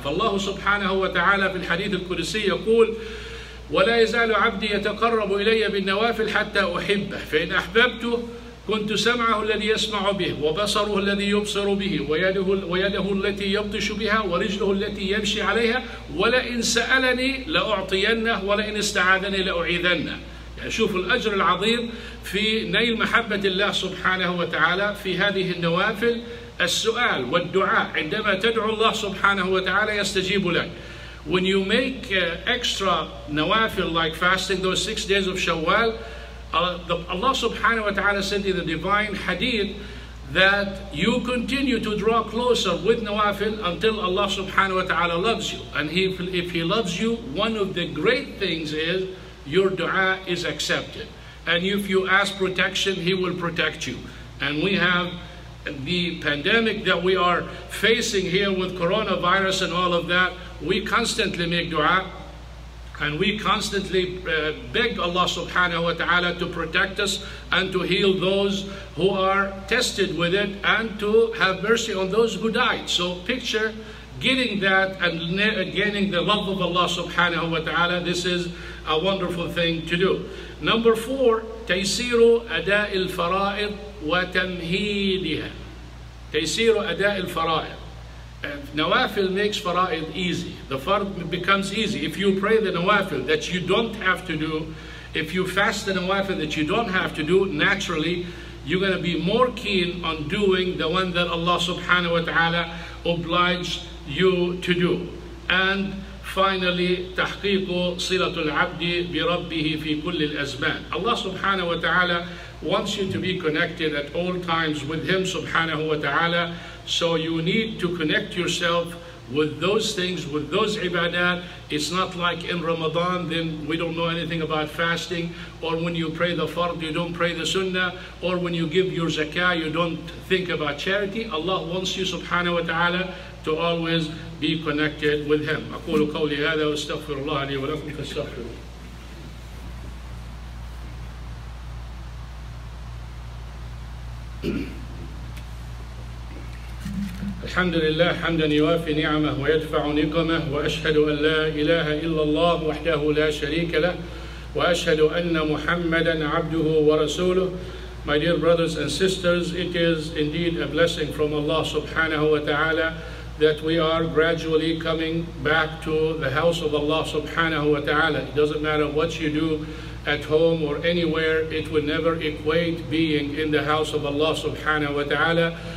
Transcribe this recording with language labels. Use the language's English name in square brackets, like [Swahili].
[Arabic] فالله سبحانه وتعالى في الحديث القدسي يقول ولا يزال عبدي يتقرب إلي بالنوافل حتى أحبه فإن أحببته كنت سمعه الذي يسمع به وبصره الذي يبصر به ويده التي يبطش بها ورجله التي يمشي عليها ولئن سألني لأعطينه ولئن استعاذني لأعيذنه. أشوف الأجر العظيم في نيل محبة الله سبحانه وتعالى في هذه النوافل السؤال والدعاء. عندما تدعو الله سبحانه وتعالى يستجيب لك. [English] When you make extra nawafil like fasting those 6 days of Shawwal, Allah subhanahu wa ta'ala said in the divine hadith that you continue to draw closer with nawafil until Allah subhanahu wa ta'ala loves you. And if He loves you, one of the great things is your dua is accepted. And if you ask protection, He will protect you. And we have the pandemic that we are facing here with coronavirus and all of that. We constantly make dua and we constantly beg Allah subhanahu wa ta'ala to protect us and to heal those who are tested with it and to have mercy on those who died. So picture getting that and gaining the love of Allah subhanahu wa ta'ala. This is a wonderful thing to do. Number four, [Arabic] تيسير أداء الفرائض وتمهيدها. تيسير أداء الفرائض. [English] Nawafil makes fara'id easy. The fard becomes easy. If you pray the nawafil that you don't have to do, if you fast the nawafil that you don't have to do, naturally, you're going to be more keen on doing the one that Allah subhanahu wa ta'ala obliged you to do. And finally, [Arabic] تحقيق صلة العبد بربه في كل الأزمان. [English] Allah subhanahu wa ta'ala wants you to be connected at all times with Him subhanahu wa ta'ala. So you need to connect yourself with those things, with those ibadat. It's not like in Ramadan, then we don't know anything about fasting, or when you pray the fard, you don't pray the sunnah, or when you give your zakah, you don't think about charity. Allah wants you subhanahu wa ta'ala to always be connected with Him. [Arabic] أقول قولي هذا واستغفر الله لي ولكم فاستغفروا. الحمد لله حمدا يوافي نعمه ويدفع نقمه وأشهد أن لا إله إلا الله وحده لا شريك له وأشهد أن محمدا عبده ورسوله. [English] My dear brothers and sisters, it is indeed a blessing from Allah subhanahu wa ta'ala that we are gradually coming back to the house of Allah subhanahu wa ta'ala. It doesn't matter what you do at home or anywhere, it will never equate being in the house of Allah subhanahu wa ta'ala.